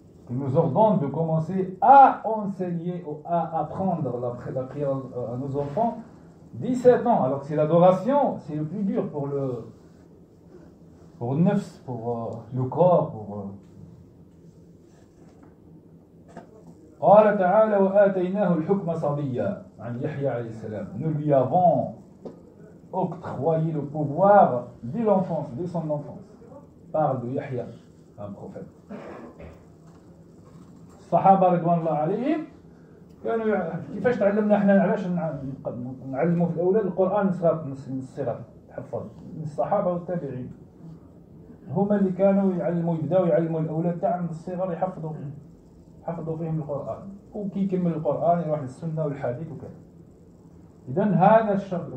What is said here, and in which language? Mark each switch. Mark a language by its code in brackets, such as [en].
[fr] Il nous ordonne de commencer à enseigner ou à apprendre la prière à nos enfants 17 ans, alors que c'est l'adoration, c'est le plus dur pour le pour le nefs, pour le corps, pour... [ar] قال تعالى وآتيناه الحكم صبيا عن يحيى عليه السلام. [fr] Nous lui avons octroyé le pouvoir dès l'enfance, dès son enfance. Parle de Yahya, un prophète. [ar] الصحابة رضوان الله عليهم كانوا كيفاش تعلمنا احنا علاش نعلموا في الأولاد القرآن من الصغر تحفظ من الصحابة والتابعين. هما اللي كانوا يعلموا يبداوا يعلموا الاولاد تاعهم الصغار يحفظوا فيهم القران وكي يكمل القران يروح للسنه والحديث وكذا. اذا هذا الشرط.